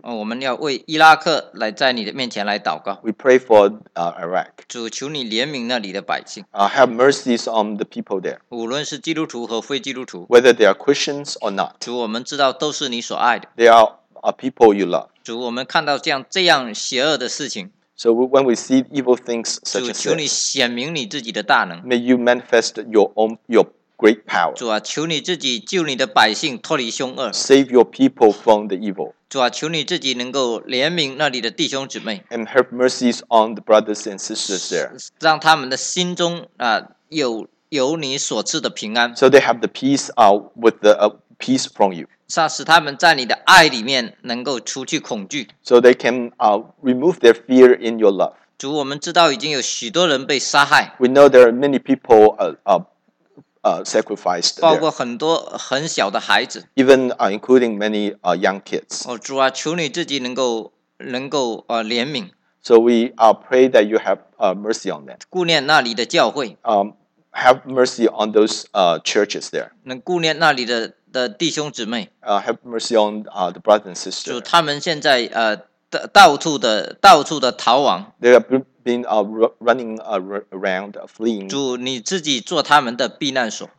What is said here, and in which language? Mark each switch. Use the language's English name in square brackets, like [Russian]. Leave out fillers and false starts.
[Chinese] 我们要为伊拉克来在你的面前来祷告。 [English] We pray for Iraq. [Chinese] 主求你怜悯那里的百姓。 [English] Have mercies on the people there. [Chinese] 无论是基督徒和非基督徒。 [English] Whether they are Christians or not. [Chinese] 主，我们知道都是你所爱的。 [English] They are people you love. [Chinese] 主，我们看到这样邪恶的事情。 [English] So when we see evil things such as this, [Chinese] 主，求你显明你自己的大能。 [English] May you manifest your great power. [Chinese] 主啊，求你自己救你的百姓脱离凶恶。 [English] Save your people from the evil. [Chinese] 主啊，求你自己能够怜悯那里的弟兄姊妹。 [English] And have mercies on the brothers and sisters there. [Chinese] 让他们的心中有你所赐的平安。 [English] So they have the peace with the peace from you. [Chinese] 使他们在你的爱里面能够除去恐惧。 [English] So they can remove their fear in your love. [Chinese] 主，我们知道已经有许多人被杀害。 [English] We know there are many people sacrificed there, [Chinese] 包括很多很小的孩子 [English] even including many young kids. [Chinese] 主啊，求你自己能够怜悯。 [English] So we pray that you have mercy on them. [Chinese] 顾念那里的教会。 [English] Have mercy on those churches there. [Chinese] 能顾念那里的弟兄姊妹。 [English] Have mercy on the brothers and sisters. [Chinese] 主，他们现在到处的逃亡。 [English] They have been running around, fleeing. [Chinese] 主，你自己做他们的避难所。